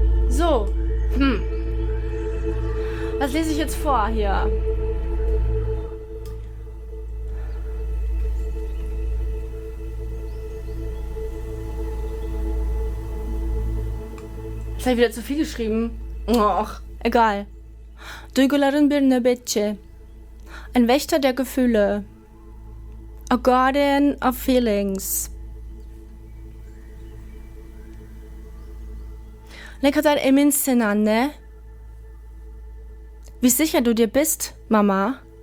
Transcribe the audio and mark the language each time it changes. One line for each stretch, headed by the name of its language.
German: So, was lese ich jetzt vor hier? Ich habe wieder zu viel geschrieben. Ach, egal.
Turkish: Duyguların bir nöbetçi.
German: Ein Wächter der Gefühle.
English: A guardian of feelings.
Turkish: Ne kadar eminsin anne?
German: Wie sicher du dir bist, Mama?